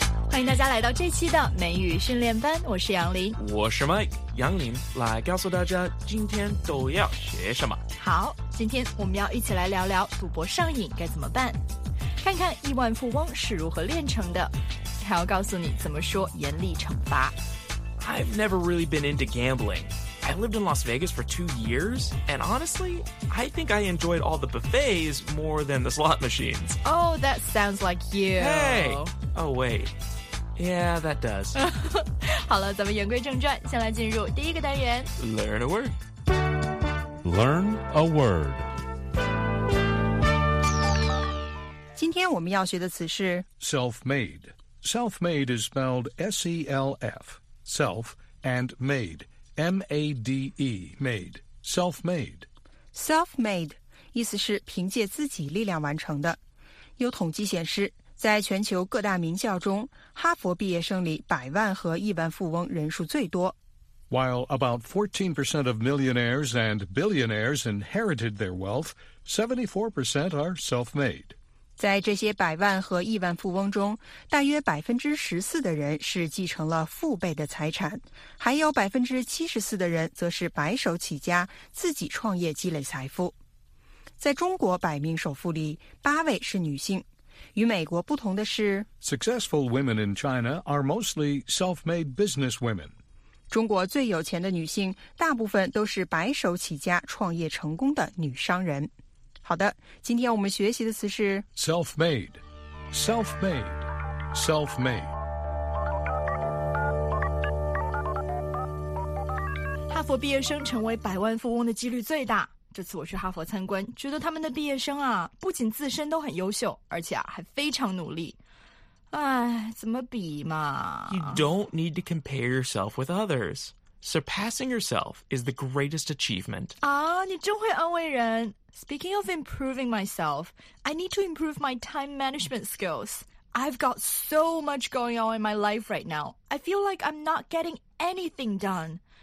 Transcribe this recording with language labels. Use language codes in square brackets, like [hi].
[zh] 欢迎大家来到这期的美语训练班，我是杨林，我是 Mike， 杨林来告诉大家今天都要学什么。好，今天我们要一起来聊聊赌博上瘾该怎么办，看看亿万富翁是如何练成的，还要告诉你怎么说严厉惩罚。 [en] I've never really been into gambling. I lived in Las Vegas for 2 years, and honestly, I think I enjoyed all the buffets more than the slot machines. Oh, that sounds like you. Hey! Oh, wait. Yeah, that does. [zh] 好了，咱们言归正传，先来进入第一个单元。 [en] Learn a word. Learn a word. [zh] 今天我们要学的词是 [en] self-made. Self-made is spelled S-E-L-F. Self and made, M-A-D-E, made, self-made. [zh] Self-made, 意思是凭借自己力量完成的。有统计显示，在全球各大名校中，哈佛毕业生里百万和亿万富翁人数最多。 [en] While about 14% of millionaires and billionaires inherited their wealth, 74% are self-made. [zh] 在这些百万和亿万富翁中，大约14%的人是继承了父辈的财产，还有74%的人则是白手起家，自己创业积累财富。在中国百名首富里，8位是女性。与美国不同的是 [en] ，Successful women in China are mostly self-made business women。 [zh] 中国最有钱的女性，大部分都是白手起家、创业成功的女商人。好的，今天我们学习的词是 [en] self-made, self-made, self-made. [zh] 哈佛毕业生成为百万富翁的几率最大。这次我去哈佛参观，觉得他们的毕业生啊，不仅自身都很优秀，而且啊，还非常努力。哎，怎么比嘛 [en] ？You don't need to compare yourself with others. Surpassing yourself is the greatest achievement. [zh] 啊，你真会安慰人。 [en] Speaking of improving myself, I need to improve my time management skills. I've got so much going on in my life right now. I feel like I'm not getting anything done.